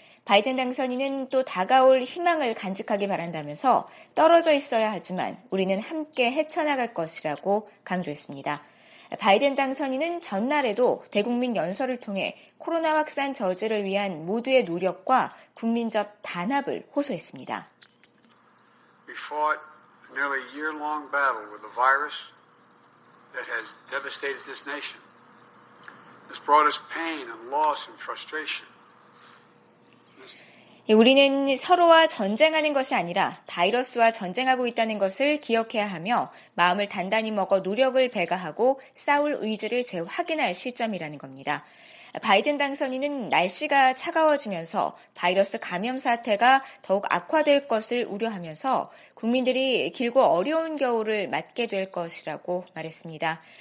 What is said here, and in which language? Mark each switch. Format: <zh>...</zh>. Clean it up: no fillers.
<ko>바이든 당선인은 또 다가올 희망을 간직하기 바란다면서 떨어져 있어야 하지만 우리는 함께 헤쳐나갈 것이라고 강조했습니다. 바이든 당선인은 전날에도 대국민 연설을 통해 코로나 확산 저지를 위한 모두의 노력과 국민적 단합을 호소했습니다.</ko> <en>We fought nearly a year-long battle with a virus that has devastated this nation. It's brought us pain and loss and frustration.</en> <ko>우리는 서로와 전쟁하는 것이 아니라 바이러스와 전쟁하고 있다는 것을 기억해야 하며 마음을 단단히 먹어 노력을 배가하고 싸울 의지를 재확인할 시점이라는 겁니다. 바이든 당선인은 날씨가 차가워지면서 바이러스 감염 사태가 더욱 악화될 것을 우려하면서 국민들이 길고 어려운 겨울을 맞게 될 것이라고 말했습니다.</ko>